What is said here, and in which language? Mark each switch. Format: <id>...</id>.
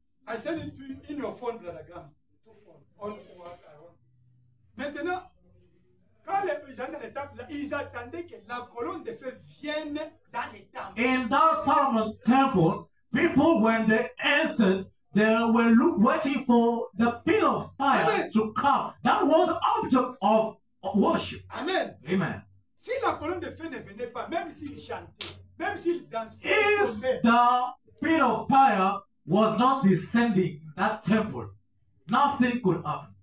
<en>I send it to you in your phone, Brother Graham. Two phone. All what I want.</en> <fr>Maintenant, quand les gens dans le temple, ils attendaient que la colonne de feu vienne dans le temple.</fr> <en>In that Solomon temple, people when they entered, they were waiting for the pillar of fire. Amen. To come. That was the object of worship. Amen. Amen.</en> <fr>Si la colonne de feu ne venait pas, même s'il chantait, même s'il dansait,</fr> <en>if the pillar of fire was not descending that temple, nothing could happen.</en>